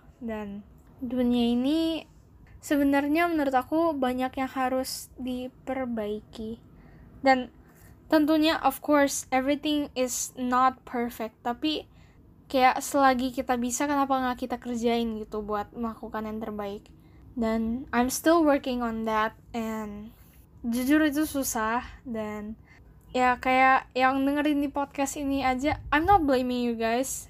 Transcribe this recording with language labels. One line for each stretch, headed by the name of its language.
Indonesian: Dan dunia ini sebenarnya menurut aku banyak yang harus diperbaiki. Dan tentunya,
English: of course, everything is not perfect.
Indonesian: Tapi, kayak selagi kita bisa, kenapa nggak kita kerjain gitu buat melakukan yang terbaik.
English: Dan, I'm still working on that. And,
Indonesian: jujur itu susah. Dan, ya kayak yang dengerin di podcast ini aja,
English: I'm not blaming you guys.